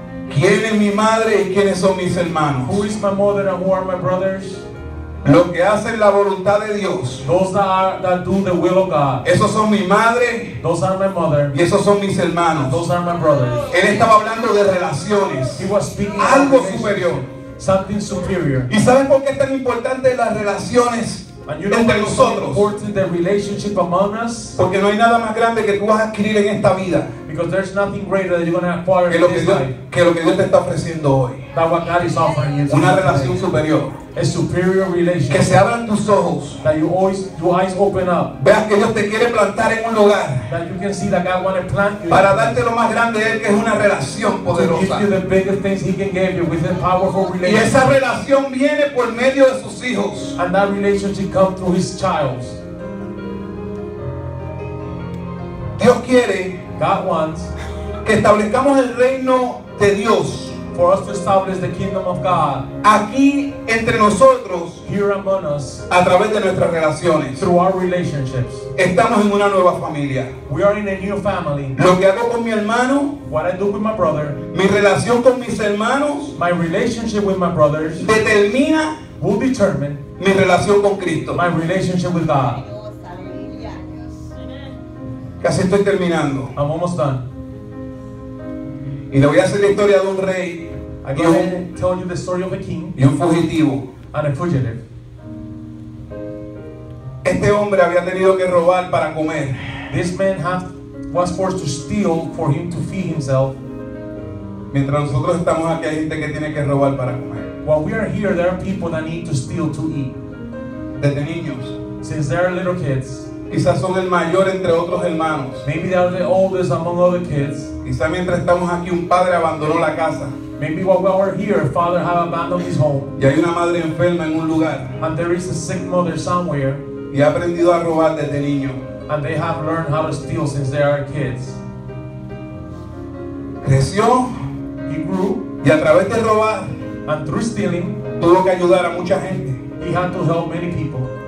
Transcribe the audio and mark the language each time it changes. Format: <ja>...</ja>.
<es>¿quién es mi madre y quiénes son mis hermanos?</es> <en>Who is my mother and who are my brothers?</en> <es>Los que hacen la voluntad de Dios.</es> <en>Those that do the will of God.</en> <es>Esos son mi madre.</es> <en>Those are my mother.</en> <es>Y esos son mis hermanos.</es> <en>Those are my brothers.</en> <es>Él estaba hablando de relaciones.</es> <en>He was speaking</en> <es>algo superior.</es> <en>Something superior.</en> <es>¿Y sabes por qué es tan importante las relaciones entre nosotros?</es> <en>Important the relationship among us.</en> <es>Porque no hay nada más grande que tú vas a adquirir en esta vida.</es> <en>Because there's nothing greater that you're going to acquire in this life.</en> <es>Que lo que Dios te está ofreciendo hoy.</es> <en>That what God is offering you.</en> <es>Una relación superior.</es> <en>A superior relationship.</en> <es>Que se abran tus ojos.</es> <en>That you always, your eyes open up.</en> <es>Veas que Dios te quiere plantar en un lugar.</es> <en>That you can see that God wants to plant you.</en> <es>Para darte lo más grande de Él, que es una relación poderosa.</es> <en>To give you the biggest things He can give you with a powerful relationship.</en> <es>Y esa relación viene por medio de sus hijos.</es> <en>And that relationship comes through His child.</en> <es>Dios quiere.</es> <en>God wants.</en> <es>Que establezcamos el reino de Dios.</es> <en>For us to establish the kingdom of God</en> <es>aquí entre nosotros,</es> <en>here among us,</en> <es>a través de nuestras relaciones,</es> <en>through our relationships,</en> <es>estamos en una nueva familia.</es> <en>We are in a new family.</en> <es>Lo que hago con mi hermano,</es> <en>what I do with my brother,</en> <es>mi relación con mis hermanos,</es> <en>my relationship with my brothers,</en> <es>determina,</es> <en>will determine,</en> <es>mi relación con Cristo,</es> <en>my relationship with God.</en> <es>Casi estoy terminando.</es> <en>I'm almost done.</en> <es>Y le voy a hacer la historia de un rey.</es> <en>Again, I'm telling you the story of a king.</en> <es>Y un fugitivo.</es> <en>And a fugitive.</en> <es>Este hombre había tenido que robar para comer.</es> <en>This man was forced to steal for him to feed himself.</en> <es>Mientras nosotros estamos aquí, hay gente que tiene que robar para comer.</es> <en>While we are here, there are people that need to steal to eat.</en> <es>Desde niños.</es> <en>Since they are little kids.</en> <es>Quizás son el mayor entre otros hermanos.</es> <en>Maybe they are the oldest among other kids.</en> <es>Quizás mientras estamos aquí un padre abandonó la casa.</es> <en>Maybe while we are here, father have abandoned his home.</en> <es>Y hay una madre enferma en un lugar.</es> <en>And there is a sick mother somewhere.</en> <es>Y ha aprendido a robar desde niño.</es> <en>And they have learned how to steal since they are kids.</en> <es>Creció.</es> <en>He grew.</en> <es>Y a través de robar.</es> <en>And through stealing.</en> <es>Tuvo que ayudar a mucha gente.</es> <en>He had to help many people.</en>